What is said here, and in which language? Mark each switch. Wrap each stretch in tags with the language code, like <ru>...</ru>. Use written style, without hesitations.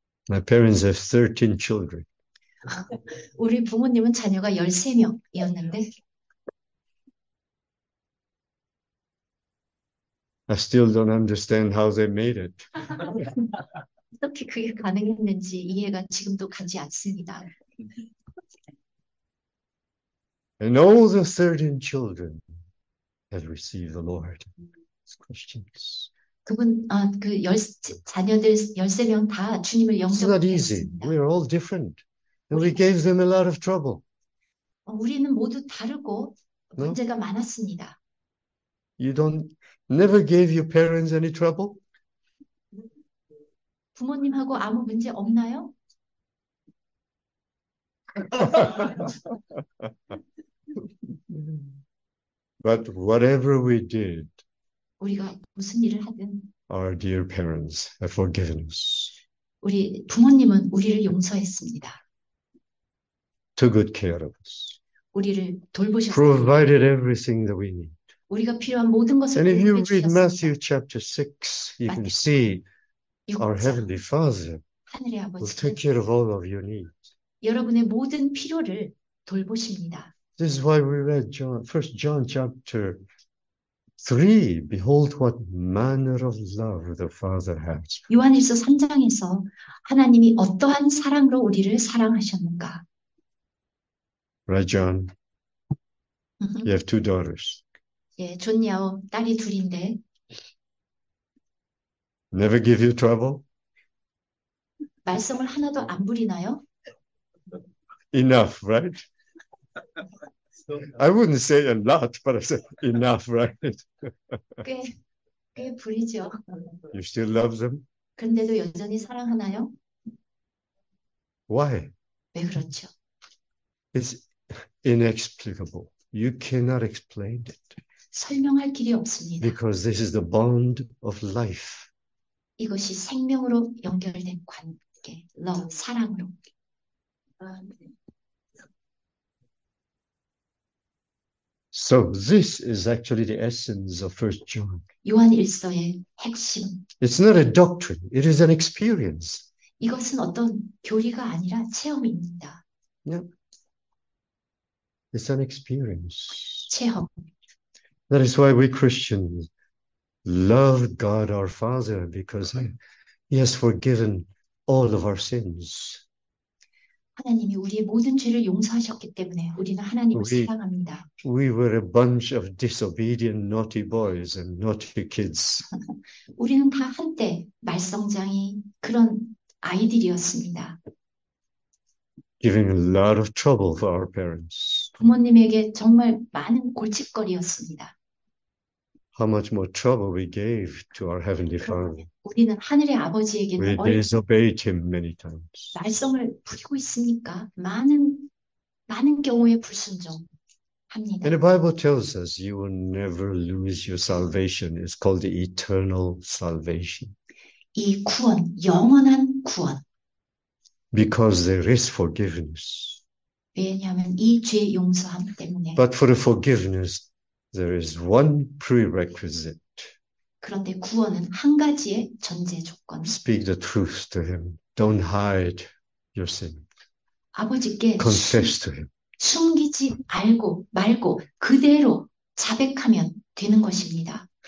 <en>My parents have 13 children.</en> <ko>우리 부모님은 자녀가 13명이었는데,</ko> <en>I still don't understand how they made it.</en> <ko>어떻게 그게 가능했는지 이해가 지금도 가지 않습니다.</ko> <en>And all the 13 children have received the Lord. These questions.</en> <ko>Kun 자녀들 13명 다 주님을</ko> <en>It's not easy.</en> <ko>영접하였습니다.</ko> <en>We are all different. And we gave them a lot of trouble.</en> <ko>우리는 모두 다르고</ko> <en>No?</en> <ko>문제가 많았습니다.</ko> <en>Never gave your parents any trouble?</en> <ko>부모님하고 아무 문제 없나요?</ko> <en>But whatever we did,</en> <ko>우리가 무슨 일을 하든</ko> <en>our dear parents have forgiven us.</en> <ko>우리 부모님은 우리를 용서했습니다.</ko> <en>Took good care of us.</en> <ko>우리를 돌보셨습니다.</ko> <en>Provided everything that we need.</en> <ko>우리가 필요한 모든 것을</ko> <en>And if you</en> <ko>공급해</ko> <en>read</en> <ko>주셨습니다.</ko> <en>Matthew chapter 6, you can</en> <ko>마태복음</ko> <en>see our</en> <ko>6장</ko> <en>Heavenly Father</en> <ko>하늘의</ko> <en>will take</en> <ko>아버지는</ko> <en>care of all of your needs.</en> <ko>여러분의 모든 필요를 돌보십니다.</ko> <en>This is why we read 1 John chapter 3. Behold what manner of love the Father has.</en> <ko>요한일서 3장에서 하나님이 어떠한 사랑으로 우리를 사랑하셨는가?</ko> <en>Right, John? You have two daughters.</en> <ko>예, 좋냐요. 딸이 둘인데.</ko> <en>Never give you trouble?</en> <ko>말썽을 하나도 안 부리나요?</ko> <en>Enough, right? I wouldn't say a lot, but I said enough, right?</en> <ko>꽤 부리죠.</ko> <en>You still love them?</en> <ko>그런데도 여전히 사랑하나요?</ko> <en>Why?</en> <ko>왜 그렇죠?</ko> <en>It's inexplicable. You cannot explain it.</en> <ko>설명할 길이 없습니다.</ko> <en>Because this is the bond of life.</en> <ko>이것이 생명으로 연결된 관계, love, 사랑으로.</ko> <en>So this is actually the essence of 1 John.</en> <ko>요한일서의 핵심.</ko> <en>It's not a doctrine, it is an experience.</en> <ko>이것은 어떤 교리가 아니라 체험입니다.</ko> <en>Yeah. It's an experience.</en> <ko>체험.</ko> <en>That is why we Christians love God our Father, because He has forgiven all of our sins.</en> <ko>하나님이 우리의 모든 죄를 용서하셨기 때문에 우리는 하나님을 사랑합니다.</ko> <en>We were a bunch of disobedient, naughty boys and naughty kids.</en> <ko>우리는 다 한때 말썽쟁이 그런 아이들이었습니다.</ko> <en>Giving a lot of trouble for our parents.</en> <ko>부모님에게 정말 많은 골칫거리였습니다.</ko> <en>How much more trouble we gave to our Heavenly</en> <ko>그런데</ko> <en>Father.</en> <ko>우리는 하늘의 아버지에게는</ko> <en>We disobeyed Him many times.</en> <ko>말썽을 부리고 있습니까? 많은 경우에 불순종합니다.</ko> <en>And the Bible tells us you will never lose your salvation. It's called the eternal salvation.</en> <ko>이 구원, 영원한 구원.</ko> <en>Because there is forgiveness.</en> <ko>왜냐하면 이 죄의 용서함 때문에.</ko> <en>But for the forgiveness, there is one prerequisite.</en> <ko>그런데 구원은 한 가지의 전제 조건.</ko> <en>Speak the truth to him. Don't hide your sin.</en> <ko>아버지께</ko> <en>Confess to him.</en> <ko>숨기지 말고 그대로 자백하면 되는 것입니다.</ko>